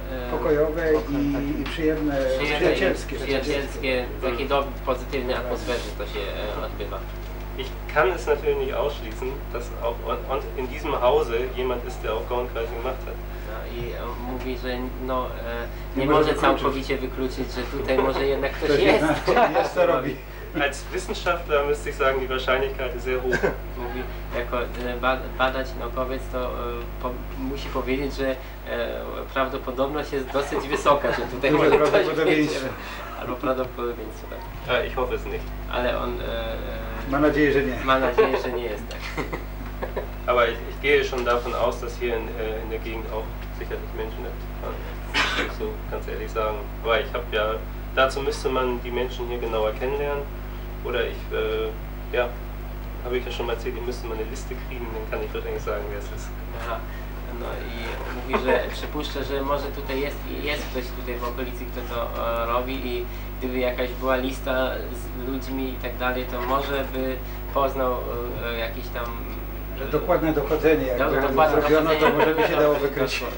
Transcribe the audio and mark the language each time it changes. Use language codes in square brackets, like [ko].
[pl] pokojowe i przyjacielskie, takie pozytywne atmosfery to się odbywa. [de] Ich kann es natürlich nicht ausschließen, dass auch und in diesem Hause jemand ist, der auch Kornkreise gemacht hat. [pl] I mówi, że no, nie może całkowicie wykluczyć, że tutaj może jednak ktoś jest. Jest to robi. [de] Als Wissenschaftler müsste ich sagen, die Wahrscheinlichkeit ist sehr hoch. [pl] Mówi, jako badacz naukowiec, to musi powiedzieć, że prawdopodobność jest dosyć wysoka, że tutaj może ktoś jest. Albo prawdopodobieństwo, tak. [de] Ich hoffe es nicht. [pl] Ale on... Ma nadzieję, że nie. Ma nadzieję, że nie jest, tak. [de] Aber ich gehe schon davon aus, dass hier in der Gegend auch sicherlich Menschen sind. So ganz ehrlich sagen. Aber ich habe ja, dazu müsste man die Menschen hier genauer kennenlernen. Oder ich, ja, habe ich ja schon mal erzählt, die müssten mal eine Liste kriegen, dann kann ich wahrscheinlich sagen, wer es ist. [pl] Aha, no i mówi, że przypuszczę, że może tutaj jest ktoś tutaj w okolicy, kto to robi i gdyby jakaś była lista z ludźmi i tak dalej, to może by poznał jakiś tam. Że dokładne dochodzenie, jak to zrobiono, dochodzenie. To może by się dało wykryć.